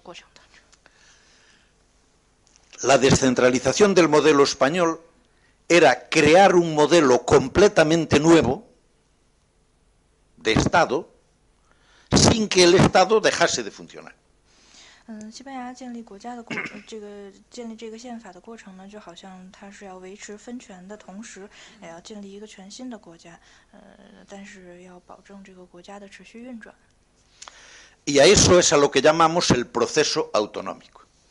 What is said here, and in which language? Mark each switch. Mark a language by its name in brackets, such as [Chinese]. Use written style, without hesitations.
[Chinese] 这个好像就是医疗上的一个例子，就好像你治一个胳膊的时候需要把它固定起来，一个骨折的胳膊，或者是说你治疗你的心脏，然后你需要保证这个人是活着的，在这个过程当中。La [Spanish] descentralización del modelo español era crear un modelo completamente nuevo de Estado sin que el Estado dejase de funcionar. [Chinese] 西班牙建立国家的建立这个宪法的过程呢，就好像它是要维持分权的同时，也要建立一个全新的国家，但是要保证这个国家的持续运转。 [Spanish] Y a eso es a lo que llamamos el proceso autonómico.